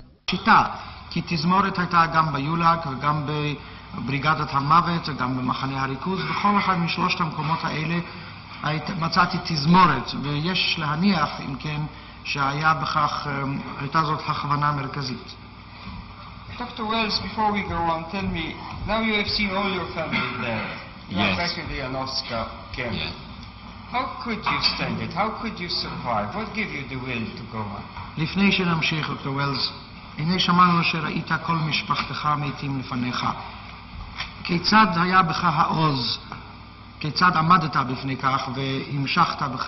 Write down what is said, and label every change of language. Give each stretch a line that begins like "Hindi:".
Hebrew: שיטה, כי תזמורת הייתה גם ביולאג וגם בבריגדת המוות וגם במחנה הריכוז בכל אחד משלושת המקומות האלה מצאתי תזמורת ויש להניח אם כן שהיה בכך הייתה זאת הכוונה מרכזית
English: Dr. Wells, before we go on, tell me now you have seen all your family there yes. yes how could you stand it? How could you survive? What gave you the will to go on?
Hebrew: לפני שנמשיך, Dr. Wells הנה שמענו שראית כל משפחתך מתים לפניך. כיצד היה בך העוז? כיצד עמדת בפני כך והמשכת?